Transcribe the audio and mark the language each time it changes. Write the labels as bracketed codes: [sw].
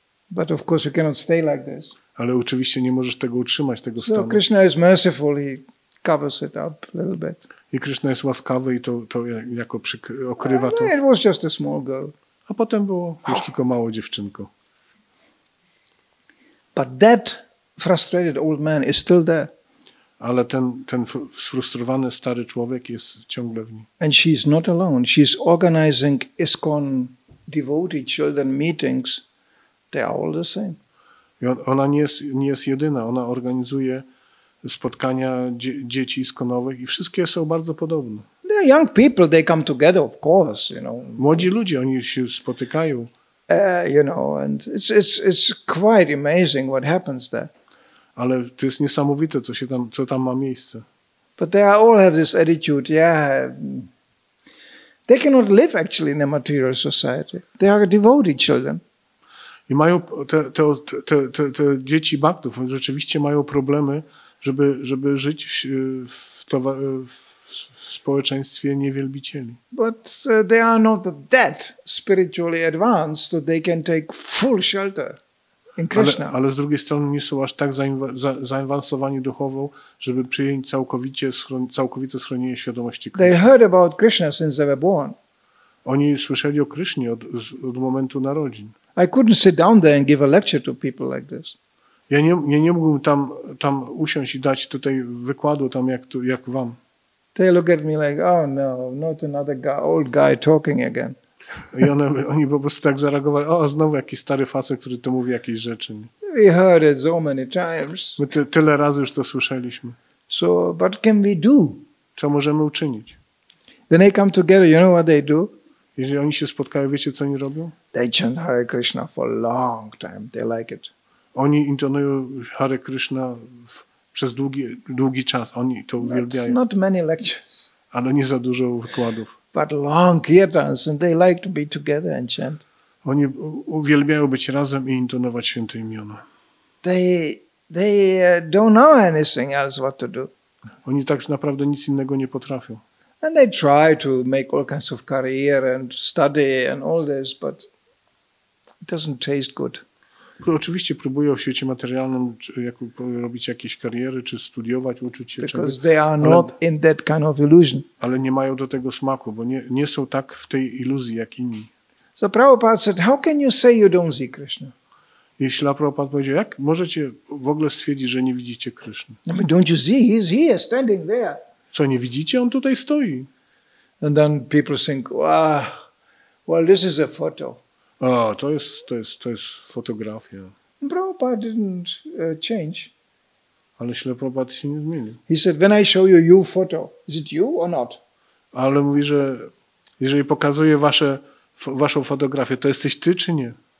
[en] But of course you cannot stay like this. [pl] Ale oczywiście nie możesz tego utrzymać, tego stanu. [en] So Krishna is merciful, he covers it up a little bit. [pl] I Krishna jest łaskawy i to jako okrywa to. [en] It was just a small girl. [pl] A potem było już tylko mało dziewczynko. [en] But that frustrated old man is still there. [pl] Ale ten sfrustrowany stary człowiek jest ciągle w nim. [en] And she is not alone. She is organizing ISKCON devoted children meetings. They are all the same. [pl] Ona nie jest jedyna. Ona organizuje spotkania dzieci iskonowych i wszystkie są bardzo podobne. [en] They are young people, they come together, of course, you know. [pl] Młodzi ludzie, oni się spotykają. [en] You know, and it's quite amazing what happens there. [pl] Ale to jest niesamowite, co tam ma miejsce. [en] But they all have this attitude, yeah. They cannot live actually in a material society. They are devoted children. [pl] I mają te dzieci baktów rzeczywiście mają problemy, żeby żyć w społeczeństwie niewielbicieli. [en] But they are not that spiritually advanced that they can take full shelter. [pl] Ale z drugiej strony nie są aż tak zaawansowani duchowo, żeby przyjąć całkowite schronienie świadomości Krishna. [en] They heard about Krishna since they were born. [pl] Oni słyszeli o Krishnie od momentu narodzin. [en] I couldn't sit down there and give a lecture to people like this. [pl] Ja nie mógłbym tam usiąść i dać tutaj wykładu tam jak wam. [en] They look at me like, oh no, not another old guy talking again. [pl] I oni po prostu tak zareagowali, o, znowu jakiś stary facet, który to mówi jakieś rzeczy. [en] We heard it so many times. [pl] My tyle razy już to słyszeliśmy. [en] So, what can we do? [pl] Co możemy uczynić? [en] Then they come together, you know what they do? [pl] Jeżeli oni się spotkają, wiecie, co oni robią? [en] They chant Hare Krishna for a long time. They like it. [pl] Oni intonują Hare Krishna przez długi czas. Oni to uwielbiają. [en] That's not many lectures. [pl] Ale nie za dużo wykładów. [en] But long kirtans, and they like to be together and chant. [pl] Oni uwielbiają być razem i intonować święte imiona. [en] They don't know anything else what to do. [pl] Oni tak naprawdę nic innego nie potrafią. [en] And they try to make all kinds of career and study and all this, but it doesn't taste good. [pl] Oczywiście próbują w świecie materialnym robić jakieś kariery, czy studiować, uczyć się czegoś. [en] They are not in that kind of illusion. [pl] Ale nie mają do tego smaku, bo nie są tak w tej iluzji jak inni. [en] So Prabhupada said, how can you say you don't see Krishna? [pl] I Śrila Prabhupada powiedział, jak możecie w ogóle stwierdzić, że nie widzicie Krishna? [en] I mean, don't you see? He's here, standing there. [pl] Co, nie widzicie? On tutaj stoi. [en] And then people think, well, this is a photo. [pl] O, to jest fotografia. [en] Prabhupada didn't change. [pl] Ale Śrila Prabhupada się nie zmienił. [en] He said, when I show you photo, is it you or not? [pl] Ale mówi, że jeżeli pokazuję waszą fotografię, to jesteś ty czy nie?